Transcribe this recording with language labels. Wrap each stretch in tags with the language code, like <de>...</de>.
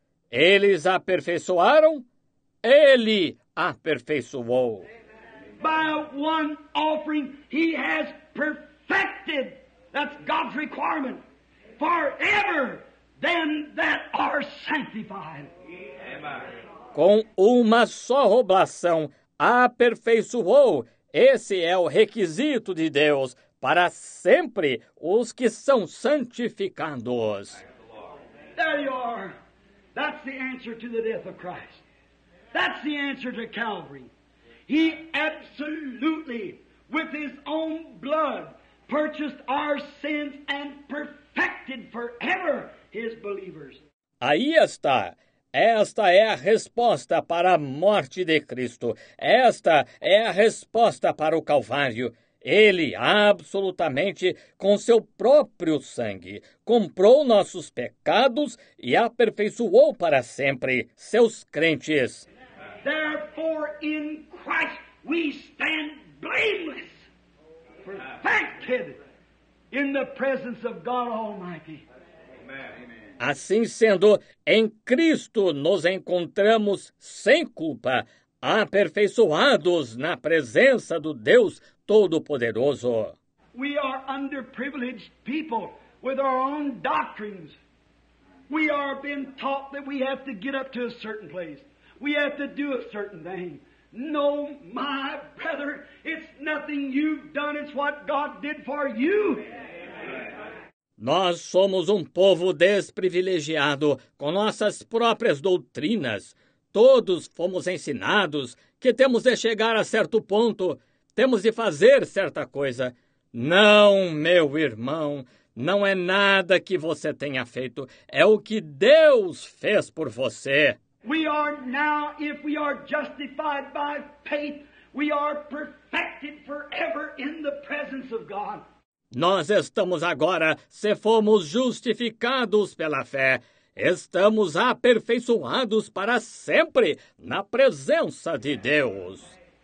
<pt>Eles aperfeiçoaram, ele aperfeiçoou.</pt> <en>By one offering, he has perfected, that's God's requirement, forever them that are sanctified.</en> <pt>Com uma só oblação, aperfeiçoou, esse é o requisito de Deus, para sempre os que são santificados.</pt> <en>There you are. That's the answer to the death of Christ. That's the answer to Calvary. He absolutely, with his own blood, purchased our sins and perfected forever his believers.</en> <pt>Aí está. Esta é a resposta para a morte de Cristo. Esta é a resposta para o Calvário. Ele, absolutamente, com seu próprio sangue, comprou nossos pecados e aperfeiçoou para sempre seus crentes.</pt> <en>Therefore, in Christ we stand blameless, perfected in the presence of God Almighty.</en> <pt>Assim sendo, em Cristo nos encontramos sem culpa, aperfeiçoados na presença do Deus Todo-Poderoso.</pt> <en>We are underprivileged people with our own doctrines. We are being taught that we have to get up to a certain place. We have to do a certain thing. No, my brother, it's nothing you've done, it's what God did for you.</en> <pt>Nós somos um povo desprivilegiado com nossas próprias doutrinas. Todos fomos ensinados que temos de chegar a certo ponto, temos de fazer certa coisa. Não, meu irmão, não é nada que você tenha feito, é o que Deus fez por você.</pt> <en>We are now, if we are justified by faith, we are perfected forever in the presence of God.</en> <pt>Nós estamos agora, se fomos justificados pela fé, estamos aperfeiçoados para sempre na presença de Deus.</pt>